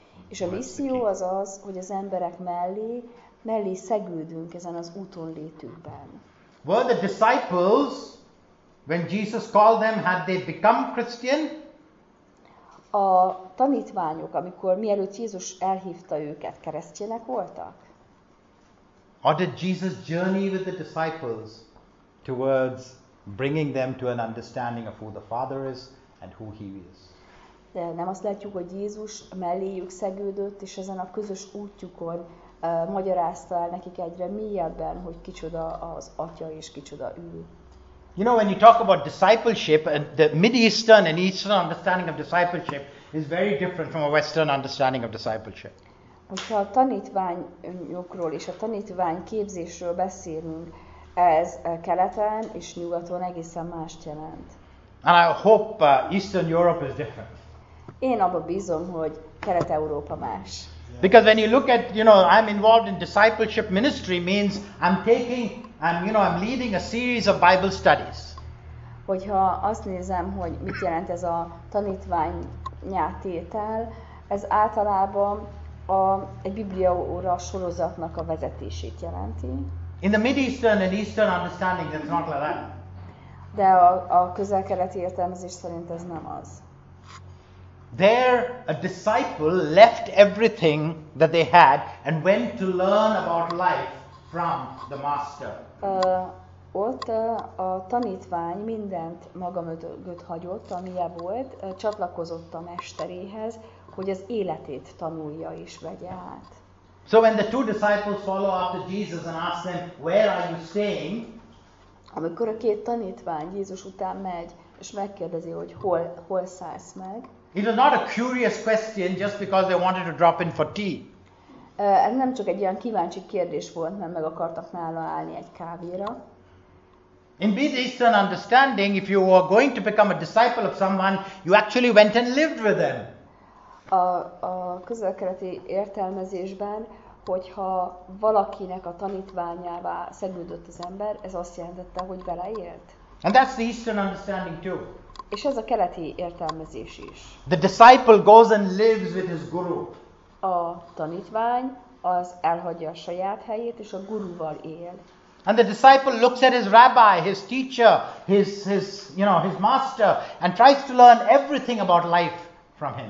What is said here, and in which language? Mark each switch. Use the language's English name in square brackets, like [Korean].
[Hungarian] És a misszió az az, hogy az emberek mellé szegődünk ezen az úton létükben. [English] Were the disciples, when Jesus called them, had they become Christian? [Hungarian] A tanítványok, amikor mielőtt Jézus elhívta őket, keresztjének voltak? [English] Or did Jesus journey with the disciples towards bringing them to an understanding of who the Father is? And who he is. [Hungarian] De nem azt látjuk, hogy Jézus melléjük szegődött, és ezen a közös útjukon magyarázta el nekik egyre mélyebben, hogy kicsoda az atya és kicsoda ő. [English] You know, when you talk about discipleship, and the Mid-Eastern and Eastern understanding of discipleship is very different from a Western understanding of discipleship. [Hungarian] Hogyha a tanítványokról és a tanítvány képzésről beszélünk, ez keleten és nyugaton egészen mást jelent. [English] And I hope Eastern Europe is different. [Hungarian] Én abba bízom, hogy Kelet-Európa más. [English] Because when you look at, you know, I'm involved in discipleship ministry means I'm leading a series of Bible studies. [Hungarian] Hogyha azt nézem, hogy mit jelent ez a tanítványátétel, ez általában egy bibliaóra sorozatnak a vezetését jelenti. [English] In the Mid-Eastern and Eastern understanding, that's not like that. [Hungarian] De a közel-keleti értelmezés szerint ez nem az. [English] There, a disciple left everything that they had and went to learn about life from the master. [Hungarian] Ott a tanítvány mindent maga mögött hagyott, amilyen volt, csatlakozott a mesteréhez, hogy az életét tanulja és vegye át. [English] So when the two disciples follow after Jesus and ask them, where are you staying? [Hungarian] Amikor a két tanítvány Jézus után megy, és megkérdezi, hogy hol szállsz meg. [English] It was not a curious question just because they wanted to drop in for tea. [Hungarian] Ez nem csak egy olyan kíváncsi kérdés volt, mert meg akartak nála állni egy kávéra. [English] In Mid-Eastern understanding, if you were going to become a disciple of someone, you actually went and lived with them. [Hungarian] A közel-keleti értelmezésben, hogyha valakinek a tanítványává szegődött az ember, ez azt jelentette, hogy vele élt. [English] And that's the Eastern understanding too. [Hungarian] És ez a keleti értelmezés is. [English] The disciple goes and lives with his guru. [Hungarian] A tanítvány az elhagyja a saját helyét és a guruval él. [English] And the disciple looks at his rabbi, his teacher, his master, and tries to learn everything about life from him.